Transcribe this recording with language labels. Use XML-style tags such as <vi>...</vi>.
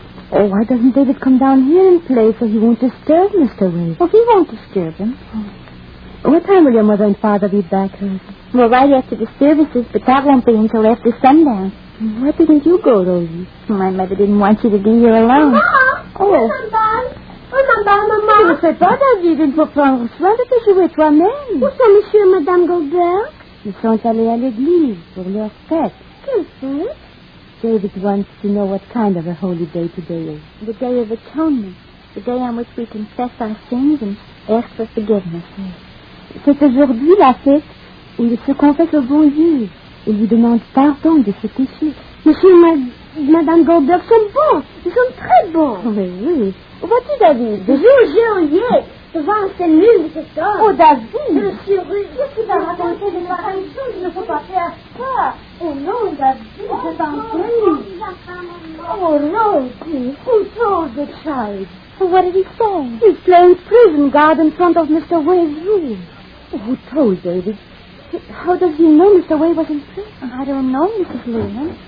<en>Oh, why doesn't David come down here and play so he won't disturb Mr. Wade? Well, he won't disturb him. Oh. What time will your mother and father be back, Rosie? Well, right after the services, but that won't be until after sundown. Why didn't you go, Rosie? My mother didn't want you to be here alone. Mama! Oh. Mama!</en> <fr>Je ne sais pas, David, il faut prendre soin de tes jouets toi-même. Où sont Monsieur et Madame Goldberg? Ils sont allés à l'église pour leur fête. Quelle fête?</fr> <en>David wants to know what kind of a holy day today is. The Day of Atonement. The day on which we confess our sins and ask for forgiveness.</en> <fr>C'est aujourd'hui la fête où il se confesse au bon Dieu et lui demande pardon de ses péchés. Monsieur et Madame Goldberg sont bons. Ils sont très bons. Mais oui. Vois-tu, David? Je vous jure, devant ces murs, cet homme. Oh, David! Monsieur, qu'est-ce qui va raconter de faire une chose? Il ne faut pas faire ça. Oh non, David, je t'en prie.</fr> <en>Oh, Rosie, who told the child? What did he say? He's playing prison guard in front of Mr. Way's room. Who told David? How does he know Mr. Way was in prison? I don't know, Mrs. Lehman.</en>